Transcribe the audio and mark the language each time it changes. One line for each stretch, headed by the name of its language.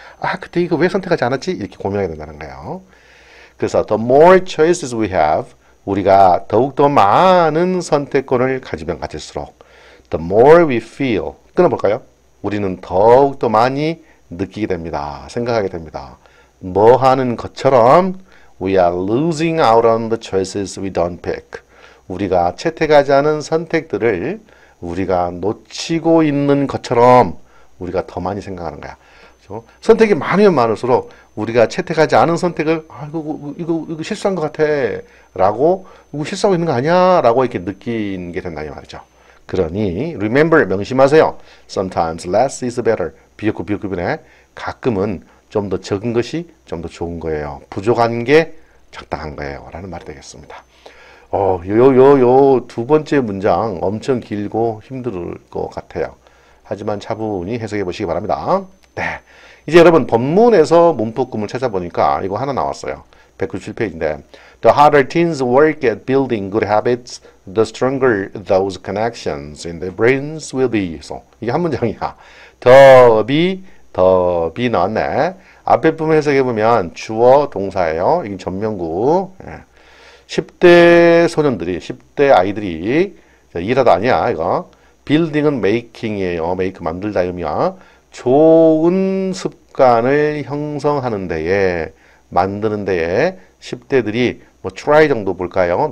Korean: 아, 그때 이거 왜 선택하지 않았지? 이렇게 고민하게 된다는 거예요.
English: 그래서 the more choices we have,
Korean: 우리가 더욱더 많은 선택권을 가지면 가질수록
English: the more we feel,
Korean: 끊어볼까요? 우리는 더욱더 많이 느끼게 됩니다. 생각하게 됩니다. 뭐 하는 것처럼
English: we are losing out on the choices we don't pick.
Korean: 우리가 채택하지 않은 선택들을 우리가 놓치고 있는 것처럼 우리가 더 많이 생각하는 거야. 그렇죠? 선택이 많으면 많을수록 우리가 채택하지 않은 선택을 아이고 이거 실수한 것 같아라고 이거 실수하고 있는 거 아니야라고 이렇게 느끼는 게 된다는 말이죠. 그러니
English: remember
Korean: 명심하세요.
English: Sometimes less is better.
Korean: 비교급이네. 가끔은 좀더 적은 것이 좀더 좋은 거예요. 부족한 게 적당한 거예요라는 말이 되겠습니다. 요요요요 두 번째 문장 엄청 길고 힘들 것 같아요. 하지만 차분히 해석해 보시기 바랍니다. 네. 이제 여러분 본문에서 문법금을 찾아보니까 이거 하나 나왔어요. 197페이지인데
English: The harder teens work at building good habits, the stronger those connections in their brains will be.
Korean: 이게 한 문장이야. 더비 넣었네. 앞에 부분 해석해 보면 주어 동사예요. 이게 전명구. 네. 10대 소년들이, 10대 아이들이, 일하다 아니야, 이거. building은 making이에요. make 만들다 의미야. 좋은 습관을 형성하는 데에, 만드는 데에, 10대들이, 뭐, try 정도 볼까요?